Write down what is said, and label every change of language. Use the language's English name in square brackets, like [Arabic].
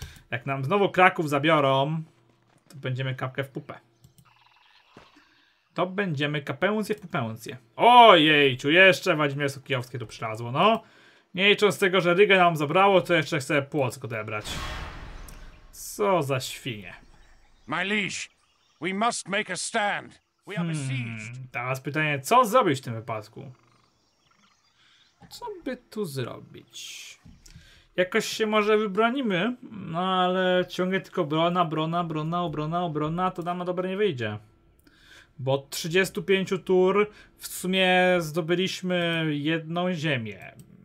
[Polish] Jak nam znowu Kraków zabiorą, to będziemy kapkę w pupę. To będziemy kapełcję w pupełcję. Ojejciu, jeszcze Wadzimierz Kijowskie tu przylazło, no. Nie licząc z tego, że Rygę nam zabrało, to jeszcze chcę Płock odebrać. Co za świnie. [English] My liege, we must make a stand. We are besieged. [Polish] Teraz pytanie, co zrobić w tym wypadku? Co by tu zrobić? Jakoś się może wybronimy, no ale ciągle tylko brona, brona, brona, obrona, obrona, to nam na dobre nie wyjdzie. Bo 35 tur w sumie zdobyliśmy jedną ziemię.